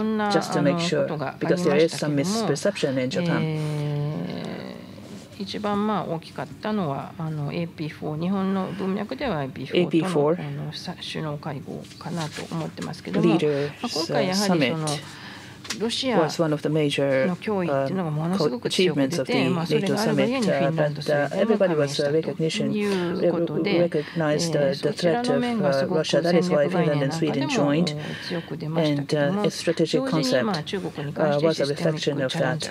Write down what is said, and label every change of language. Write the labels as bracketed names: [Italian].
[English] Just to make sure, because there is some misperception in Japan. [Japanese] 一番大きかったのは、AP4 日本の文脈では AP4 との首脳会合かなと思ってますけども、今回やはりその [English] was one of the major achievements of the NATO summit, but everybody was recognized the threat of Russia. That is why Finland and Sweden joined, and its strategic concept was a reflection of that.